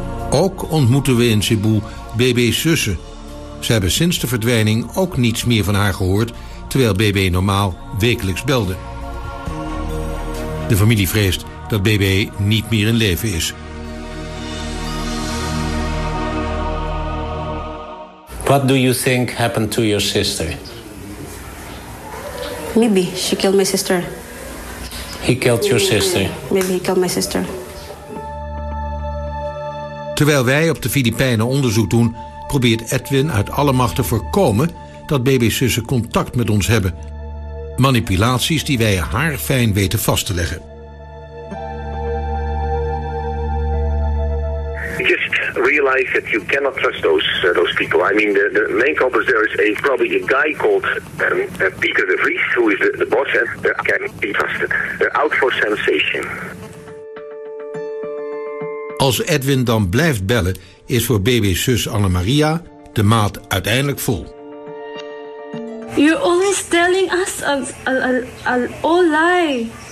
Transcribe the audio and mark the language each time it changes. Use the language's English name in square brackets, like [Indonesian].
[Dutch] Ook ontmoeten we in Cebu BB's zussen. Ze hebben sinds de verdwijning ook niets meer van haar gehoord, terwijl BB normaal wekelijks belde. De familie vreest dat BB niet meer in leven is. [English] What do you think happened to your sister? Maybe she killed my sister. He killed your sister. Maybe he killed my sister. [Dutch] Terwijl wij op de Filipijnen onderzoek doen, probeert Edwin uit alle macht te voorkomen dat BB's zussen contact met ons hebben. Manipulaties die wij haarfijn weten vast te leggen. [English] Just realize that you cannot trust those people. I mean, the main culprit there is probably a guy called Peter de Vries, who is the boss, and they can be trusted. They're out for sensation. [Dutch] Als Edwin dan blijft bellen, is voor BB's zus Anna-Maria de maat uiteindelijk vol. [English] You're always telling us a all lie.